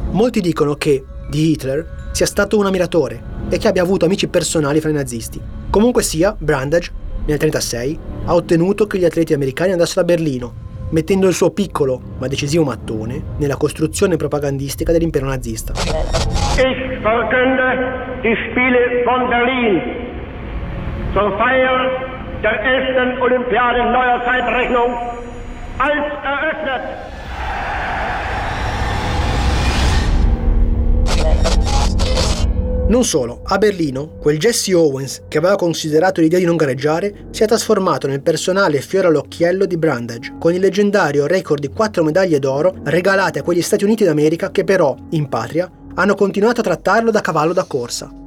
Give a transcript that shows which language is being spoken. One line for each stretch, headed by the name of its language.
Italian: Molti dicono che, di Hitler, sia stato un ammiratore e che abbia avuto amici personali fra i nazisti. Comunque sia, Brundage, nel 1936, ha ottenuto che gli atleti americani andassero a Berlino, mettendo il suo piccolo, ma decisivo mattone, nella costruzione propagandistica dell'impero nazista.
German: Ich verkünde die Spiele von Berlin zur Feier der ersten Olympiade neuer Zeitrechnung als eröffnet.
Italian: Non solo, a Berlino, quel Jesse Owens, che aveva considerato l'idea di non gareggiare, si è trasformato nel personale fiore all'occhiello di Brundage, con il leggendario record di 4 medaglie d'oro regalate a quegli Stati Uniti d'America che però, in patria, hanno continuato a trattarlo da cavallo da corsa.